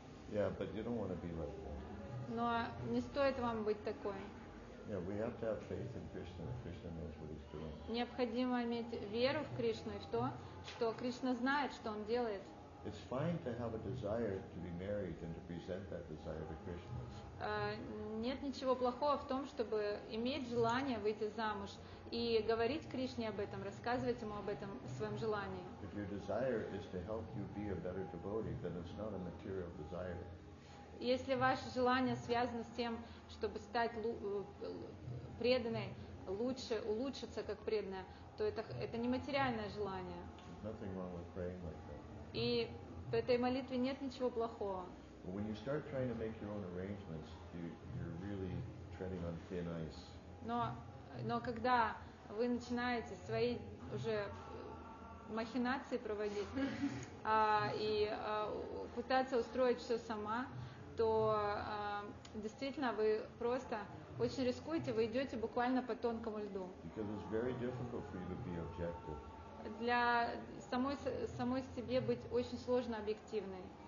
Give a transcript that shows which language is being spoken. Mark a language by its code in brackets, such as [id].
[en] Yeah, but you don't want to be like that. [ru] Но не стоит вам быть такой. [en] Yeah, we have to have faith in Krishna. Krishna knows what he's doing. [ru] Необходимо иметь веру в Кришну и в то, что Кришна знает, что он делает. [en] It's fine to have a desire to be married and to present that desire to Krishna. [ru] Нет ничего плохого в том, чтобы иметь желание выйти замуж и говорить Кришне об этом, рассказывать ему об этом своем желании. [en] If your desire is to help you be a better devotee, then it's not a material desire. [ru] Если ваше желание связано с тем, чтобы стать преданной, лучше, улучшиться как преданная, то это не материальное желание. [en] Nothing wrong with praying like that. [ru] И в этой молитве нет ничего плохого. [en] But when you start trying to make your own arrangements, you're really treading on thin ice. [ru] Но когда вы начинаете свои уже махинации проводить и пытаться устроить все сама, то действительно вы просто очень рискуете, вы идете буквально по тонкому льду. [en] Because it's very difficult for you to be objective. [ru] Для самой себе быть очень сложно объективной.